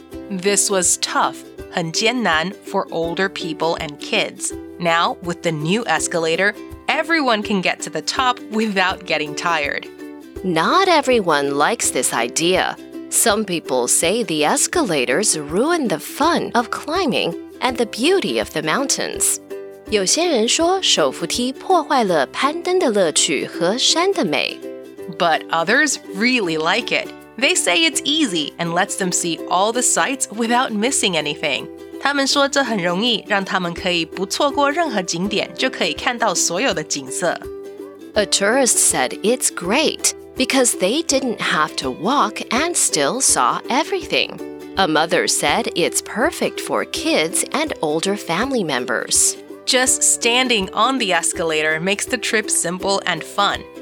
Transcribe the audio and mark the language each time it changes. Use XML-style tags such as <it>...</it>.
<en>This was tough,</en> <zh>很艰难,</zh> <en>for older people and kids. Now, with the new escalator, everyone can get to the top without getting tired. Not everyone likes this idea. Some people say the escalators ruin the fun of climbing and the beauty of the mountains.</en> <zh>有些人说手扶梯破坏了攀登的乐趣和山的美。</zh> <en>But others really like it. They say it's easy and lets them see all the sights without missing anything.</en> <zh>他们说这很容易，让他们可以不错过任何景点，就可以看到所有的景色。</zh> <en>A tourist said it's great because they didn't have to walk and still saw everything. A mother said it's perfect for kids and older family members. Just standing on the escalator makes the trip simple and fun.</en>